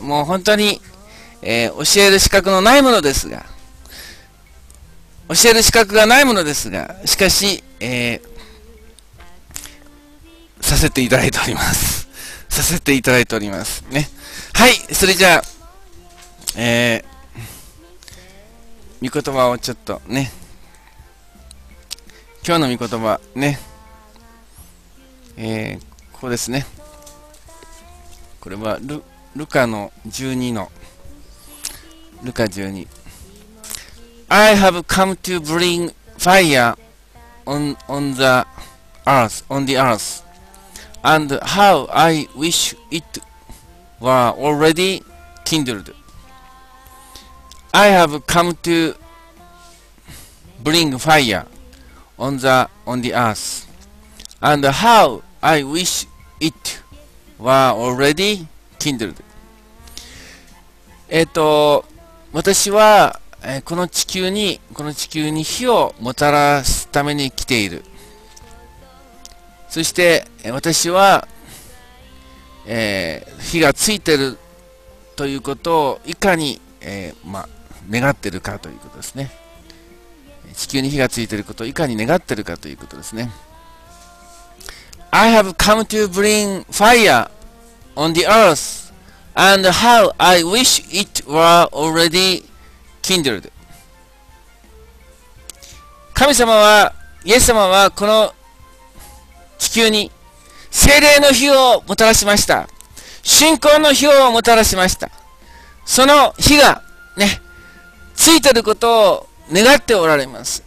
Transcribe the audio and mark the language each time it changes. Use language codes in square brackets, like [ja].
[ja] もう本当に教える資格のないものですが、教える資格がないものですが、しかし、させていただいておりますさせていただいておりますね。はい、それじゃあ、御言葉をちょっとね、今日の御言葉ね、ここですね。これは [en] ルカ12 I have come to bring fire on the earth and how I wish it were already kindled. I have come to bring fire on the earth and how I wish it were already kindled. [ja] 私は、この地球に火をもたらすために来ている。そして、私は、火がついているということをいかに、願っているかということですね。地球に火がついていることをいかに願っているかということですね。 [en] I have come to bring fire on the earthAnd how I wish it were already kindled. [ja] 神様は、イエス様はこの地球に聖霊の火をもたらしました。信仰の火をもたらしました。その火がね、ついてることを願っておられます。